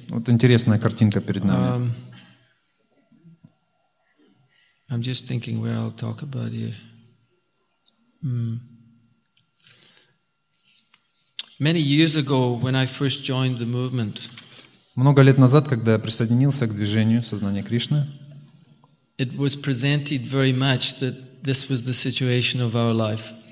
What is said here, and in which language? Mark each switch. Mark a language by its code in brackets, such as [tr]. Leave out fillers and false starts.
[ru] Вот интересная картинка перед нами. [en] I'm just thinking where I'll talk about here. Many years ago, when I first joined the movement. [ru] Много лет назад, когда я присоединился к движению сознания Кришны, [en] it was presented very much that this was the situation of our life.